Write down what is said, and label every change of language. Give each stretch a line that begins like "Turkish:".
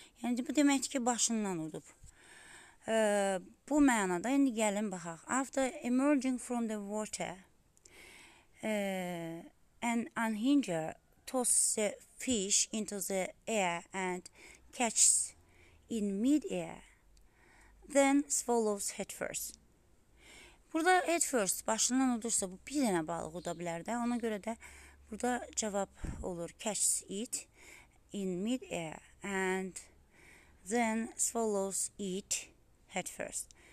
Azerbaijani: Yəni bu deməkdir ki, başından udub. Bu mənada indi gəlin baxaq.
English: After emerging from the water, an unhinged toss the fish into the air and catches in mid-air, then swallows head first.
Azerbaijani: Burada head first, başından udursa bu bir dənə balıq uda bilər də. Ona görə də burada cavab olur
English: catch it in mid-air and then swallows it head first.